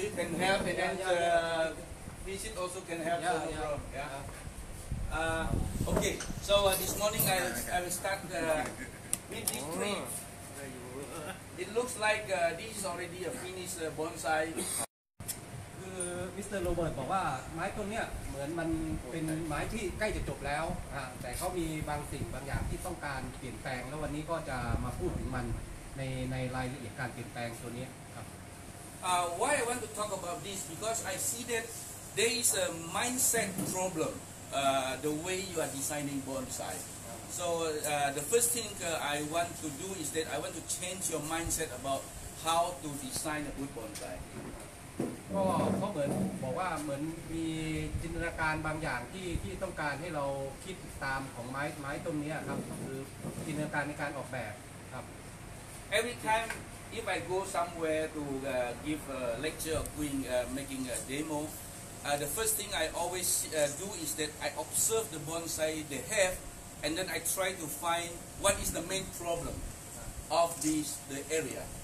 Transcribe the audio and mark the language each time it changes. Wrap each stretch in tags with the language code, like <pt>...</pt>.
<en>You can help, and then visit also can help. Yeah. Yeah. Yeah. Okay. So this morning I will start with this tree. It looks like this is already a finished bonsai. Mr.</en> <th>Robert บอกว่าไม้ต้นเนี้ยเหมือนมันเป็นไม้ที่ใกล้จะจบแล้วฮะแต่เขามีบางสิ่งบางอย่างที่ต้องการเปลี่ยนแปลงแล้ววันนี้ก็จะมาพูดถึงมันในรายละเอียดการเปลี่ยนแปลงตัวนี้ครับ</th> <en>Why I want to talk about this because I see that there is a mindset problem the way you are designing bonsai so the first thing I want to do is that I want to change your mindset about how to design a good bonsai</en> <th>ก็เขาเหมือนบอกว่าเหมือนมีจินตนาการบางอย่างที่ต้องการให้เราคิดตามของไม้ต้นนี้ครับคือจินตนาการในการออกแบบครับ</th> <en>every time if I go somewhere to give a lecture or doing making a demo the first thing I always do is that I observe the bonsai they have and then I try to find what is the main problem of the area</en>